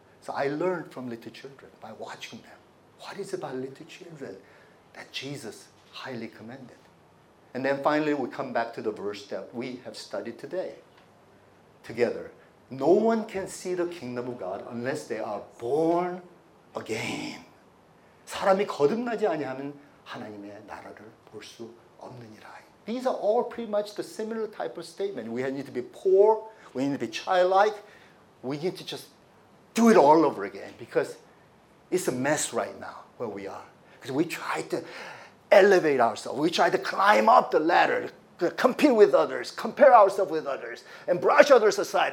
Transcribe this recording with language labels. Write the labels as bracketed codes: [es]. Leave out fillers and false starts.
[en] So I learned from little children by watching them. What is it about little children that Jesus highly commended? And then finally, we come back to the verse that we have studied today together. No one can see the kingdom of God unless they are born again. [ko] 사람이 거듭나지 아니하면 하나님의 나라를 볼 수 없느니라. [en] These are all pretty much the similar type of statement. We need to be poor. We need to be childlike. We need to just do it all over again because it's a mess right now where we are. Because we try to elevate ourselves. We try to climb up the ladder, compete with others, compare ourselves with others, and brush others aside.